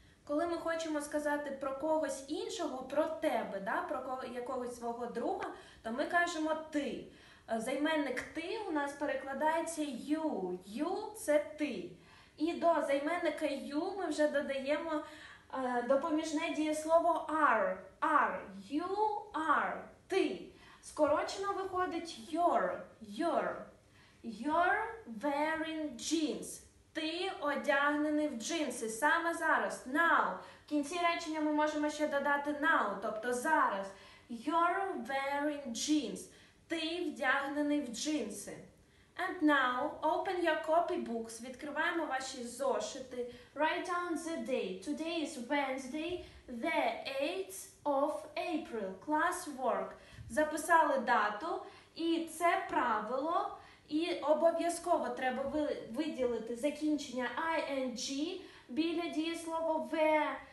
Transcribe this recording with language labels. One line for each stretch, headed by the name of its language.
Ukrainian: Коли ми хочемо сказати про когось іншого, про тебе, да, про якогось свого друга, то ми кажемо ти. Займенник ти у нас перекладається you. You – це ти. І до займенника you ми вже додаємо допоміжне дієслово are.
English: Are. You are. Ти.
Ukrainian: Скорочено виходить
English: your wearing jeans.
Ukrainian: Ти одягнений в джинси. Саме зараз. Now. В кінці речення ми можемо ще додати now, тобто зараз.
English: You're wearing jeans.
Ukrainian: Ти вдягнений в джинси.
English: And now, open your copy books.
Ukrainian: Відкриваємо ваші зошити.
English: Write down the date. Today is Wednesday, the 8th of April. Class work.
Ukrainian: Записали дату, і це правило, і обов'язково треба виділити закінчення ing біля дієслова wear.